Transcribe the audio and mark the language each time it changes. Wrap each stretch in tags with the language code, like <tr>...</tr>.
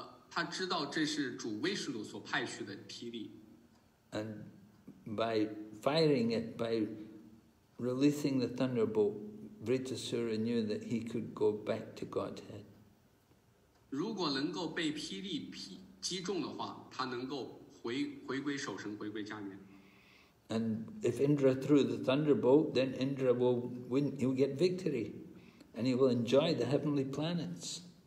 <zh>他知道这是主威士鲁所派去的霹雳。</zh> <en>And by firing it, by releasing the thunderbolt, Vritasura knew that he could go back to Godhead.</en> <zh>如果能够被霹雳击中的话, 他能够回归守神, 回归家园。</zh> <en>And if Indra threw the thunderbolt, then Indra will win, he will get victory, and he will enjoy the heavenly planets.</en>